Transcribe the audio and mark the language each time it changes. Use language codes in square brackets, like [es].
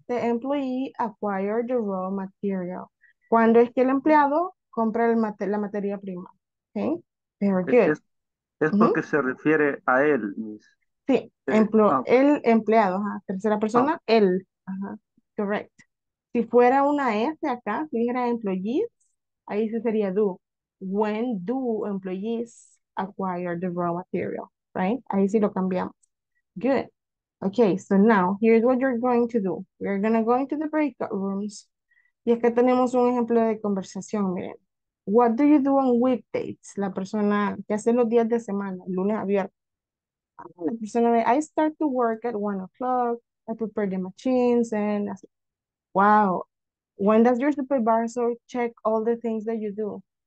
[en] When does the employee acquire the raw material? [es] ¿Cuándo es que el empleado compra el la materia prima? [en] Okay, very good. [es] Es porque se refiere a él, Miss. Sí, el empleado, tercera persona, él. [en] Correct. [es] Si fuera una S acá, si dijera employees, ahí sí sería do. [en] When do employees acquire the raw material, right? [es] Ahí sí lo cambiamos. [en] Good. Okay, so now, here's what you're going to do. We're going to go into the breakout rooms. [es] Y acá tenemos un ejemplo de conversación, miren. [en] What do you do on weekdays? [es] La persona que hace los días de semana, lunes a viernes. La persona de, [en] I start to work at 1 o'clock. I prepare the machines and I say, wow. When does your supervisor check all the things that you do?